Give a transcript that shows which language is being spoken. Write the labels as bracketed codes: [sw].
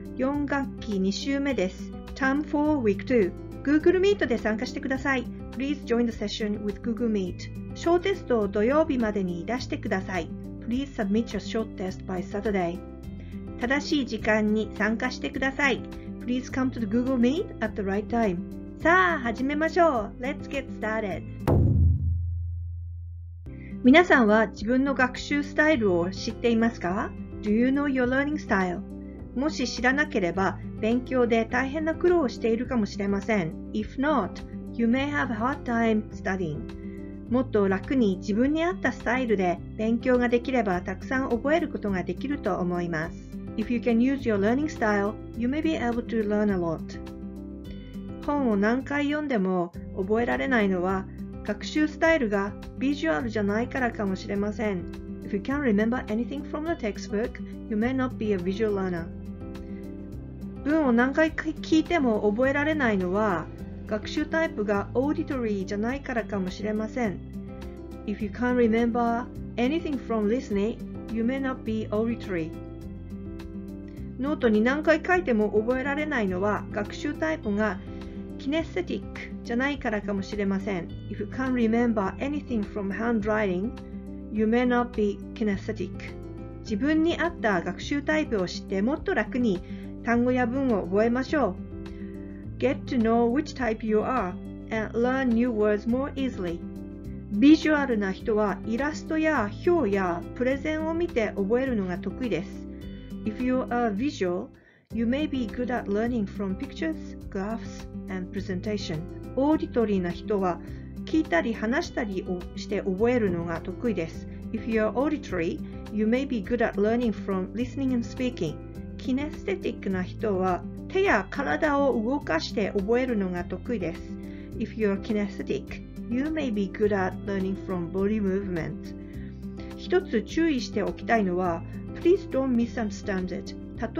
[ja] 4学期2週目です。 [en] Term 4, Week 2. [ja] Google Meet で参加してください。 [en] Please join the session with Google Meet. [ja] 小テストを土曜日までに出してください。 [en] Please submit your short test by Saturday. [ja] 正しい時間に参加してください。 [en] Please come to the Google Meet at the right time. [ja] さあ、始めましょう。 [en] Let's get started. [ja] 皆さんは自分の学習スタイルを知っていますか? [en] Do you know your learning style? [ja] もし知らなければ、勉強で大変な苦労をしているかもしれません。 [en] If not, you may have a hard time studying. [ja] もっと楽に自分に合ったスタイルで勉強ができれば、たくさん覚えることができると思います。 [en] If you can use your learning style, you may be able to learn a lot. [ja] 本を何回読んでも覚えられないのは、学習スタイルがビジュアルじゃないからかもしれません。 [en] If you can't remember anything from the textbook, you may not be a visual learner. [ja] 文を何回聞いても覚えられないのは、学習タイプがオーディトリーじゃないからかもしれません。 [en] If you can't remember anything from listening, you may not be auditory. [ja] ノートに何回書いても覚えられないのは、学習タイプがキネスティックじゃないからかもしれません。 [en] If you can't remember anything from handwriting,You may not be kinesthetic. [ja] 自分に合った学習タイプを知ってもっと楽に単語や文を覚えましょう。 [en] Get to know which type you are and learn new words more easily. [ja] ビジュアルな人はイラストや表やプレゼンを見て覚えるのが得意です。 [en] If you are visual, you may be good at learning from pictures, graphs, and presentation. [ja] オーディトリーな人は聞いたり話したりをして覚えるのが得意です。 [en] If you're auditory, you may be good at learning from listening and speaking. [ja] キネスティックな人は手や体を動かして覚えるのが得意です。 [en] If you're kinesthetic, you may be good at learning from body movement. [ja] 一つ注意しておきたいのは、 [en] Please don't misunderstand it.